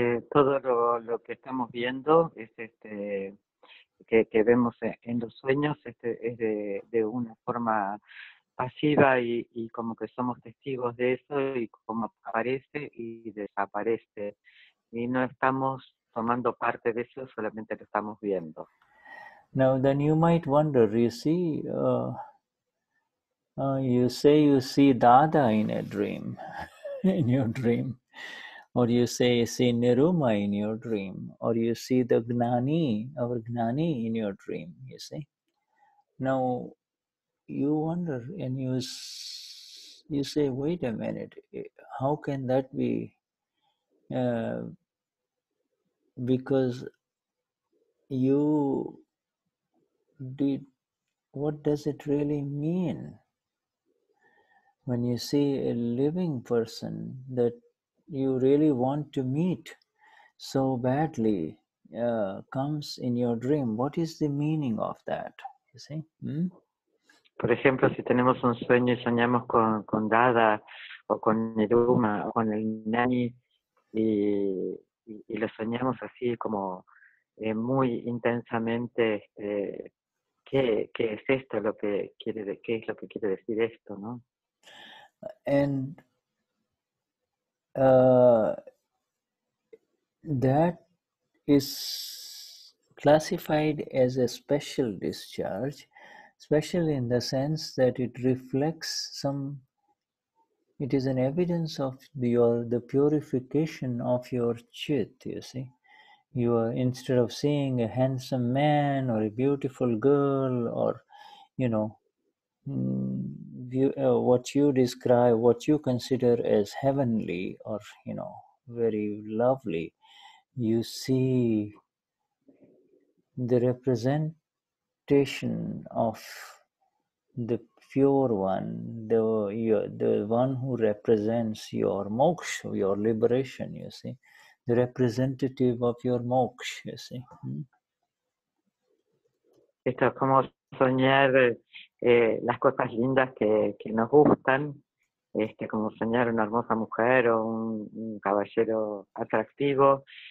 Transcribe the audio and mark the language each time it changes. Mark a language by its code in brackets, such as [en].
[es] Todo lo que estamos viendo es que vemos en los sueños es de una forma pasiva y como que somos testigos de eso y como aparece y desaparece. Y no estamos tomando parte de eso, solamente lo estamos viendo. [en] Now then you might wonder, you see, you say you see Dada in a dream, in your dream. or you say, see Niruma in your dream, or you see the Gnani, our Gnani in your dream, you see. Now, you wonder and you say, wait a minute, how can that be? Because you did, what does it really mean? When you see a living person that you really want to meet so badly comes in your dream, what is the meaning of that? You see? [es] Por ejemplo, si tenemos un sueño y soñamos con Dada o con Niruma o con el Nani y lo soñamos así como muy intensamente, ¿qué es esto lo que quiere, qué es lo que quiere decir esto, no? [en] And that is classified as a special discharge, especially in the sense that it reflects some, it is an evidence of the purification of your chit, you see. You are, instead of seeing a handsome man or a beautiful girl or, you know, what you describe, what you consider as heavenly or, you know, very lovely, you see the representation of the pure one, the one who represents your moksha, your liberation, you see, the representative of your moksha, you see. [es] Esto es como soñar las cosas lindas que nos gustan, como soñar una hermosa mujer o un caballero atractivo.